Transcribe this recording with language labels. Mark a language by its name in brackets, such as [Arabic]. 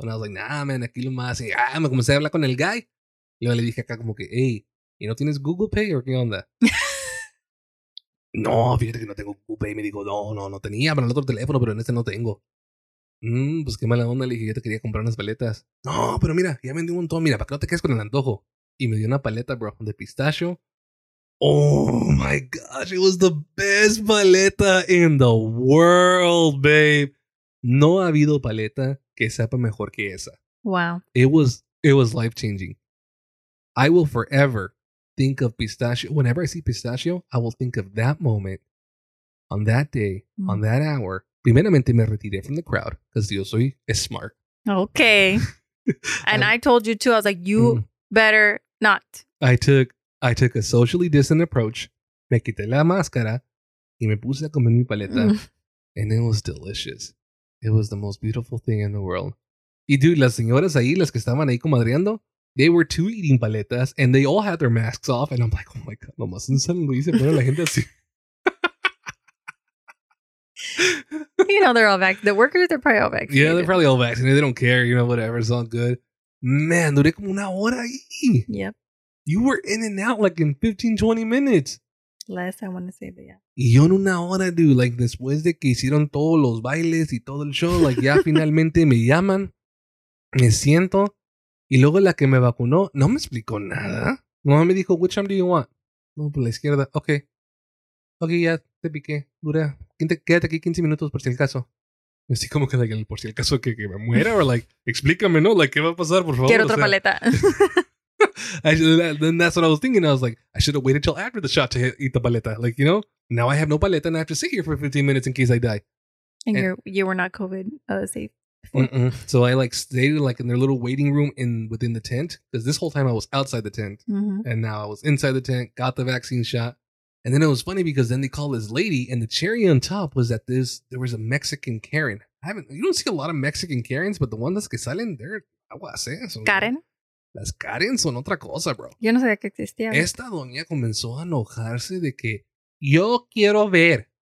[English] And I was like, nah man, [Spanish] aquí lo más. Y me comencé a hablar con el guy. Y yo le dije acá como que, hey, ¿y no tienes Google Pay o qué onda? No, fíjate que no tengo Google Pay. Me dijo, no tenía, pero en el otro teléfono, pero en este no tengo. Pues qué mala onda, le dije, yo te quería comprar unas paletas. No, pero mira, ya vendí un montón, mira, para que no te quedes con el antojo. Y me dio una paleta, bro, de pistacho. [English] Oh my gosh, it was the best paleta in the world, babe. [Spanish] No ha habido paleta que sepa mejor que esa. [English] Wow. It was life changing. I will forever think of pistacho. Whenever I see pistacho, I will think of that moment, on that day, on that hour, [Spanish] Primeramente me retiré [English] from the crowd because [Spanish] yo soy smart. [English] Okay. And I told you too. I was like, you better not. I took a socially distant approach. [Spanish] Me quité la máscara y me puse a comer mi paleta. [English] And it was delicious. It was the most beautiful thing in the world. Y dude, [Spanish] las señoras ahí, las que estaban ahí comadreando, [English] they were two eating paletas and they all had their masks off. And I'm like, oh my God, [Spanish] nomás en San Luis se pone la gente así. [English] You know, they're all vaccinated. The workers, they're probably all vaccinated. Yeah, they're probably all vaccinated. They don't care, you know, whatever. It's all good. Man, [Spanish] duré como una hora ahí. [English] Yep. You were in and out like in 15, 20 minutes. Less, I want to say, but yeah. [Spanish] Y yo en una hora, dude, like después de que hicieron todos los bailes y todo el show, like ya finalmente me llaman, me siento, y luego la que me vacunó no me explicó nada. No me dijo, [English] which arm do you want? [Spanish] No, por la izquierda. Okay, ya te piqué. Dura. Quédate aquí 15 minutos por si el caso. Y así como que, like, por si el caso que me muera, o like, explícame, ¿no? Like, ¿qué va a pasar, por favor? Quiero otra paleta. [English] Then that's what I was thinking. I was like, I should have waited till after the shot to eat the paleta. Like, you know, now I have no paleta and I have to sit here for 15 minutes in case I die. And you were not COVID safe. So I like stayed like in their little waiting room in within the tent, because this whole time I was outside the tent. Mm-hmm. And now I was inside the tent, got the vaccine shot. And then it was funny because then they called this lady, and the cherry on top was that there was a Mexican Karen. You don't see a lot of Mexican Karens, but the ones [Spanish] que salen, [English] they're, I was saying, so Karen. Like, [Spanish] las Karen son otra cosa, bro. Yo no sabía que existía. Esta doña comenzó a enojarse de que yo quiero ver.